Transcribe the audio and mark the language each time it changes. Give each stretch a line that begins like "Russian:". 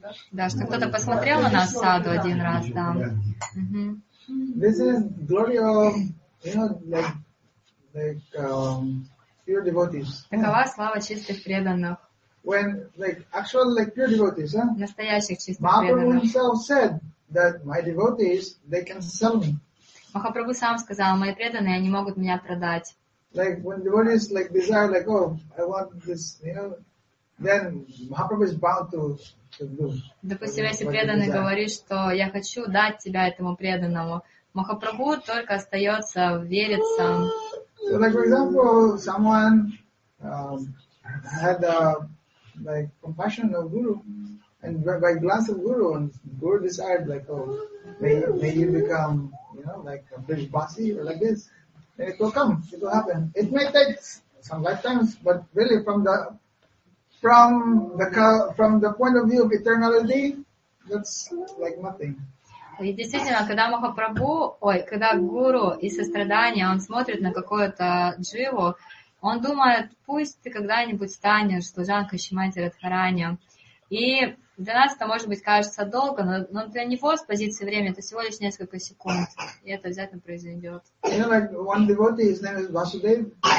Russian: Да, что кто-то посмотрел на саду один раз, да.
English: This is glory of, you know, like pure devotees.
Russian: Такова слава чистых преданных.
English: When like actual like pure devotees, huh?
Russian: Настоящих чистых преданных.
English: Mahaprabhu himself said that my devotees, they can sell me.
Russian: Махапрабху сам сказал, мои преданные, они могут меня продать.
English: Like when devotees like desire, like oh, I want this, you know, then Mahaprabhu is bound to.
Russian: Допустим, если преданный говорит, что я хочу дать тебя этому преданному, Махапрабху только остается вериться.
English: So, like, for example, someone had a like compassion of Guru, and by glance of Guru, and Guru decided, like, oh, may you become, you know, like a British Basi or like this. And it will come, it will happen. It may take some lifetimes, but really from the point of view of eternality, that's like nothing.
Russian: И действительно, когда Махапрабху, когда гуру из сострадания, он смотрит на какую-то дживу, он думает, пусть ты когда-нибудь станешь служанкой Шримати Радхарани. И для нас это, может быть, кажется долго, но для него с позиции времени это всего лишь несколько секунд, и это обязательно произойдет.
English: You know, like one devotee, his name is Vasudeva.